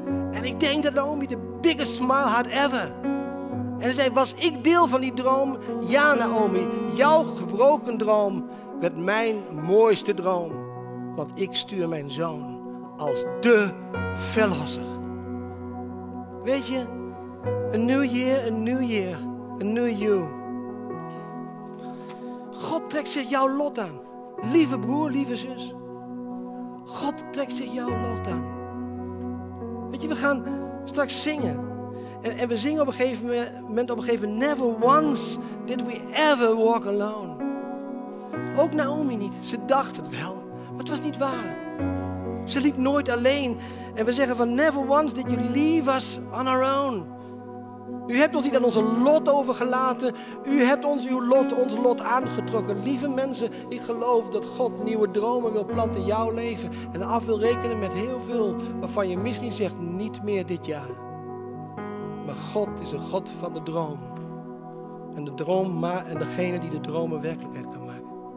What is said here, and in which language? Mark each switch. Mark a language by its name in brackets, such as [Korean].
[Dutch] En ik denk dat Naomi de [English] biggest smile had ever. [Dutch] En ze zei, was ik deel van die droom? Ja, Naomi, jouw gebroken droom werd mijn mooiste droom. Want ik stuur mijn zoon als de verlosser. Weet je, [English] a new year, a new you. [Dutch] God trekt zich jouw lot aan. Lieve broer, lieve zus. God trekt zich jouw lot aan. Weet je, we gaan straks zingen. En we zingen op een gegeven moment, [English] never once did we ever walk alone. [Dutch] Ook Naomi niet. Ze dacht het wel, maar het was niet waar. Ze liep nooit alleen. En we zeggen van, [English] never once did you leave us on our own. [Dutch] U hebt ons niet aan onze lot overgelaten. U hebt ons uw lot, ons lot aangetrokken. Lieve mensen, ik geloof dat God nieuwe dromen wil planten in jouw leven. En af wil rekenen met heel veel waarvan je misschien zegt, niet meer dit jaar. Maar God is een God van de droom. En de droom en degene die de dromen werkelijkheid kan maken.